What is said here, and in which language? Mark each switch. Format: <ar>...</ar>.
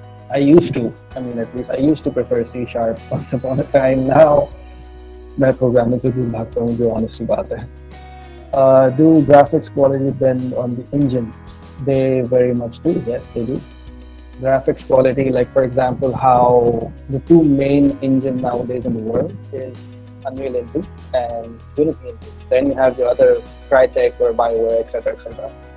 <en>I used to prefer C sharp once upon a time.</en> <hi>Now मैं programming से भी भागता हूँ, जो ऑनेस्ट सी बात है.</hi> <en>Do graphics quality depend on the engine? They very much do, yes they do. Graphics quality, like for example, how the two main engine nowadays in the world is Unreal Engine and Unity Engine. Then you have your other Crytek or BioWare, etc., etc.</en>